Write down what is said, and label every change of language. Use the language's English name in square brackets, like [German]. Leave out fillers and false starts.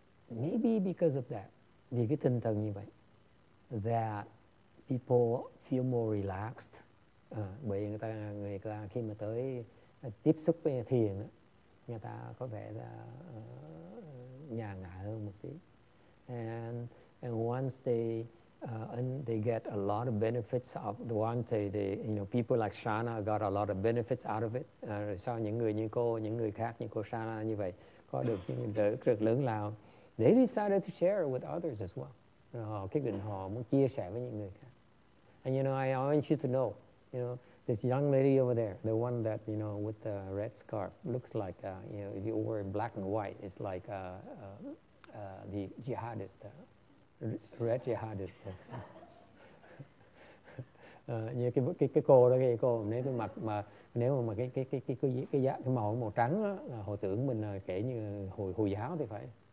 [English] Maybe because of that, [Vietnamese] vì cái tinh thần như vậy, [English] that people feel more relaxed. [Vietnamese] Bởi người ta khi mà tới tiếp xúc với thiền á, người ta có vẻ là nhà ngả hơn một tí. [English] And once they get a lot of benefits of the one day, people like Shana got a lot of benefits out of it. [Vietnamese] Sau những người như cô, những người khác như cô Shana như vậy có được những lợi rất lớn lao, [English] they decided to share it with others as well. [Vietnamese] Họ quyết định họ muốn chia sẻ với những người khác. [English] And you know, I want you to know, you know, this young lady over there, the one that, you know, with the red scarf, looks like, you know, if you wear black and white, it's like the jihadist, red jihadist. [Vietnamese] Như cái cô đó kìa, cô nếu cái mặt mà nếu mà cái màu màu trắng đó, là hồi tưởng mình kể như hồi giáo thì phải.